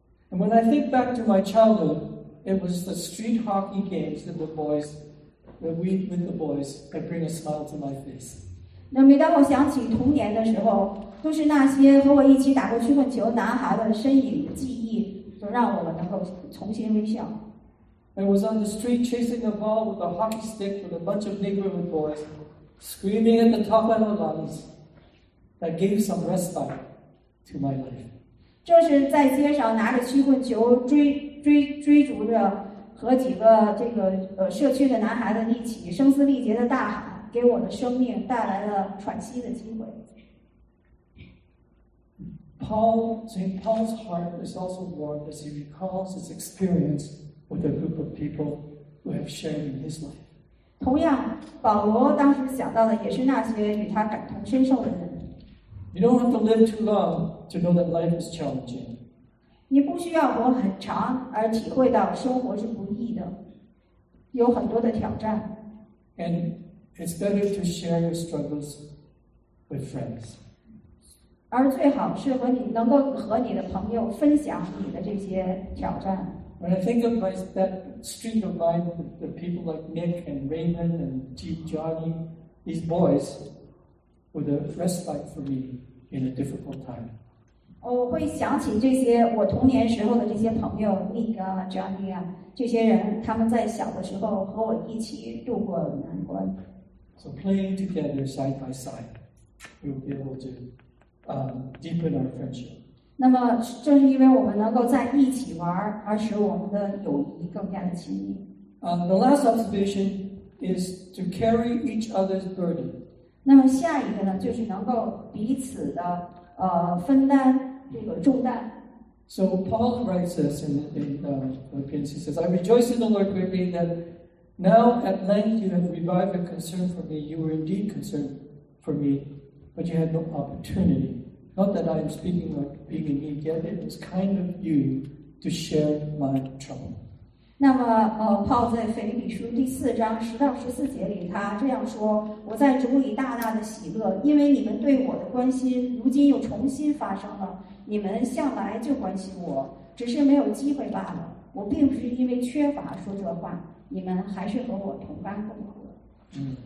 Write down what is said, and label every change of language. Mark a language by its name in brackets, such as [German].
[English] And when I think back to my childhood, it was the street hockey games that the boys that we with the boys that bring a smile to my face. [Chinese] 那每当我想起童年的时候。都是那些和我一起打过曲棍球男孩的身影记忆，都让我能够重新微笑。 [English] I was on the street chasing a ball with a hockey stick with a bunch of neighborhood boys, screaming at the top of my lungs. That gave some respite to my life. [Chinese] 这是在街上拿着曲棍球追逐着和几个这个社区的男孩子一起声嘶力竭的大喊，给我的生命带来了喘息的机会。 [English] St. Paul's heart is also warmed as he recalls his experience with a group of people who have shared in his life. [Chinese] 同样，保罗当时想到的也是那些与他感同身受的人。 [English] You don't have to live too long to know that life is challenging. [Chinese] 你不需要活很长而体会到生活是不易的，有很多的挑战。 [English] And it's better to share your struggles with friends. [Chinese] 而最好是和你能够和你的朋友分享你的这些挑战。 [English] When I think of my that street of mine, the people like Nick and Raymond and Chief Johnny, these boys were the respite for me in a difficult time. [Chinese] 我会想起这些我童年时候的这些朋友 ，Nick 啊 ，Johnny 啊，这些人，他们在小的时候和我一起度过难关。 [English] So playing together side by side, we'll be able to. Deepen our friendship. [Chinese] 那么正是因为我们能够在一起玩，而使我们的友谊更加的亲密。 [English] The last observation is to carry each other's burden. [Chinese] 那么下一个呢，就是能够彼此的分担这个重担。 [English] So Paul writes this in Philippians. He says, "I rejoice in the Lord greatly that now at length you have revived a concern for me. You were indeed concerned for me." But you had no opportunity. Not that I am speaking like being a need, yet it was kind of you to share my trouble. [Chinese] 那么Paul在腓立比书第四章十到十四节里他这样说，我在主里大大的喜乐，因为你们对我的关心如今又重新发生了，你们向来就关心我，只是没有机会罢了，我并不是因为缺乏说这话，你们还是和我同甘共苦。